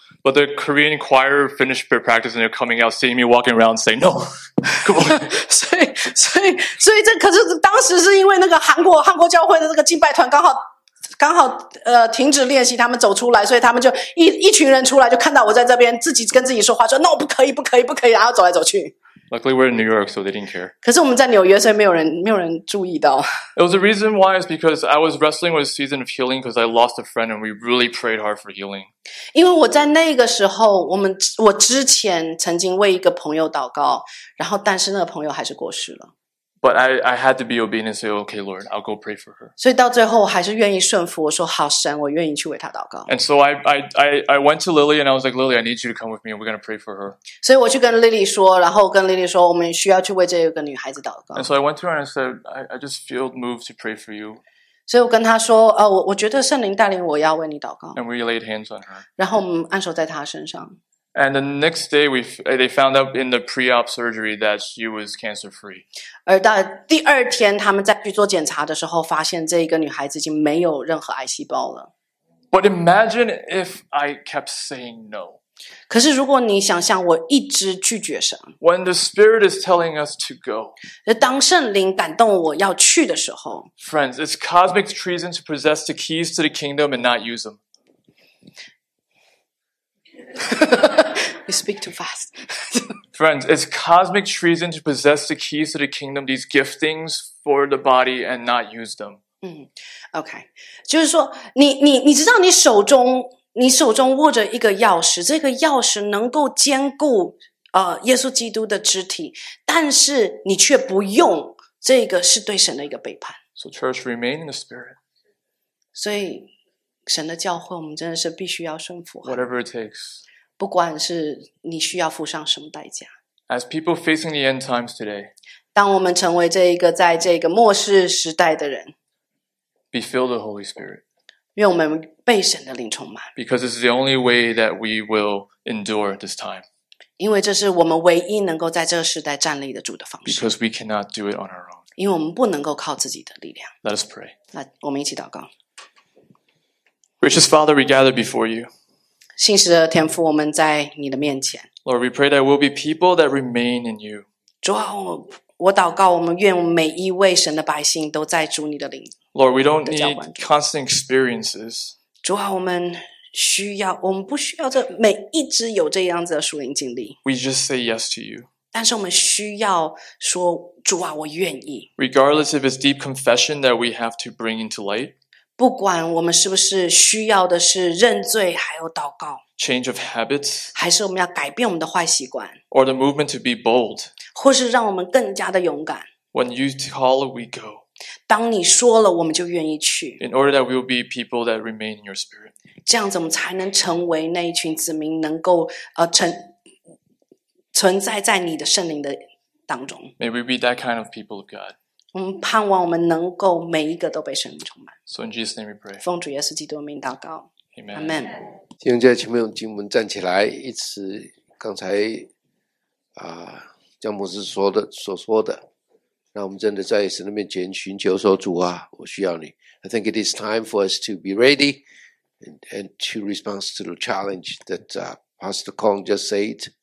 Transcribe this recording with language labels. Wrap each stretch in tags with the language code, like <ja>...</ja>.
<en>But the Korean choir finished their practice and they're coming out, seeing me walking around, saying no. Come on.</en> <zh>所以这可是当时是因为那个韩国教会的这个敬拜团刚好停止练习，他们走出来，所以他们就一群人出来，就看到我在这边自己跟自己说话，说 no， 不可以，不可以，不可以，然后走来走去。</zh> <en>Luckily, we're in New York, so they didn't care.</en> <zh>可是我们在纽约，所以没有人注意到。</zh> <en>It was the reason why is because I was wrestling with a season of healing because I lost a friend and we really prayed hard for healing.</en> <zh>因为我在那个时候，我之前曾经为一个朋友祷告，然后但是那个朋友还是过世了。</zh> <en>But I had to be obedient and say, "Okay, Lord, I'll go pray for her."</en> <zh>所以到最后，我还是愿意顺服。我说好神，我愿意去为他祷告。</zh> <en>And so I went to Lily and I was like, "Lily, I need you to come with me. We're going to pray for her."</en> <zh>所以我去跟 Lily 说，然后跟 Lily 说，我们需要去为这个女孩子祷告。</zh> <en>And so I went to her and I said, "I just feel moved to pray for you."</en> <zh>所以我跟她说，我觉得圣灵带领我要为你祷告。</zh> <en>And we laid hands on her.</en> <zh>然后我们按手在她身上。</zh> <en>And the next day, they found out in the pre-op surgery that she was cancer-free.</en> <zh>而到第二天，他们再去做检查的时候，发现这个女孩子已经没有任何癌细胞了。</zh> <en>But imagine if I kept saying no.</en> <zh>可是如果你想象我一直拒绝神。</zh> <en>When the Spirit is telling us to go.</en> <zh>当圣灵感动我要去的时候。</zh> <en>Friends, it's cosmic treason to possess the keys to the kingdom and not use them. You speak too fast. Friends, it's cosmic treason to possess the keys to the kingdom, these giftings for the body, and not use them. Okay.</en> <zh>就是说，你知道你手中握着一个钥匙，这个钥匙能够坚固耶稣基督的肢体，但是你却不用，这个是对神的一个背叛。</zh> <en>So church, remain in the spirit.</en> <zh>所以神的教会，我们真的是必须要顺服。</zh> <en>Whatever it takes.</en> <zh>不管是你需要付上什么代价。</zh> <en>As people facing the end times today.</en> <zh>当我们成为这一个在这个末世时代的人。</zh> <en>Be filled with the Holy Spirit.</en> <zh>愿我们被神的灵充满。</zh> <en>Because this is the only way that we will endure this time.</en> <zh>因为这是我们唯一能够在这个时代站立得住的方式。</zh> <en>Because we cannot do it on our own.</en> <zh>因为我们不能够靠自己的力量。</zh> <en>Let us pray.</en> <zh>来，我们一起祷告。</zh> <en>Gracious Father, we gather before you.</en> <zh>信实的天父，我们在你的面前。</zh> <en>Lord, we pray that we'll be people that remain in you.</en> <zh>主啊，我祷告，我们愿每一位神的百姓都在主你的灵。</zh> <en>Lord, we don't need constant experiences.</en> <zh>主啊，我们不需要这每一直有这样子的属灵经历。</zh> <en>We just say yes to you.</en> <zh>但是我们需要说，主啊，我愿意。</zh> <en>Regardless if it's deep confession that we have to bring into light.</en> <zh>不管我们是不是需要的是认罪还有祷告</zh> <en>Change of habits</en> <zh>还是我们要改变我们的坏习惯</zh> <en>Or the movement to be bold</en> <zh>或是让我们更加的勇敢</zh> <en>When you call, we go</en> <zh>当你说了我们就愿意去</zh> <en>In order that we'll be people that remain in your spirit</en> <zh>这样子我们才能成为那一群子民能够存在在你的圣灵的当中</zh> <en>May we be that kind of people of God</en> <zh>我们盼望我们能够每一个都被圣灵充满。</zh> <en>So in Jesus' name we pray.</en> <zh>奉主耶稣基督的名祷告。</zh> <en>Amen. Amen.</en> <zh>弟兄姐妹，请我们请我们站起来，一起刚才江牧师所说的，让我们真的在神的面前寻求说主啊，我需要你。</zh> <en>I think it is time for us to be ready and to respond to the challenge that Pastor Kong just said.</en>